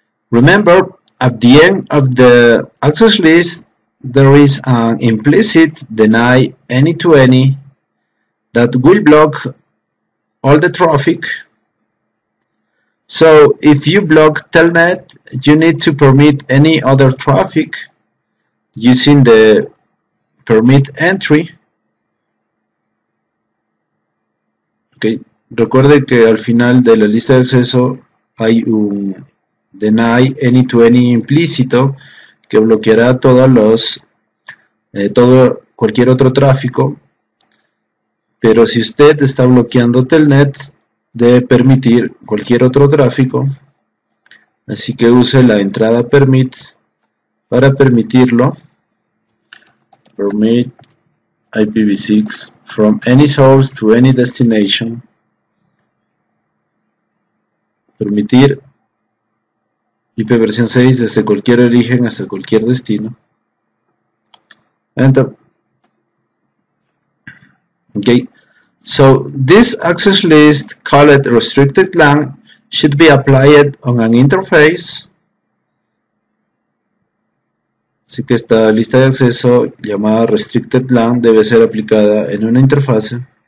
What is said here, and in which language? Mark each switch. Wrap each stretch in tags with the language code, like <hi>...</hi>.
<en>Remember, at the end of the access list, there is an implicit deny any to any that will block all the traffic. So if you block telnet, you need to permit any other traffic using the permit entry. Okay.</en> <es>Recuerde que al final de la lista de acceso hay un deny any to any implícito que bloqueará todos los todo cualquier otro tráfico, pero si usted está bloqueando telnet, debe permitir cualquier otro tráfico, así que use la entrada permit para permitirlo.</es> <en>Permit IPv6 from any source to any destination.</en> <es>Permitir IPv6 desde cualquier origen hasta cualquier destino.</es> <en>Enter. Okay. So this access list called restricted LAN should be applied on an interface.</en> <es>Así que esta lista de acceso llamada restricted LAN debe ser aplicada en una interfase.</es>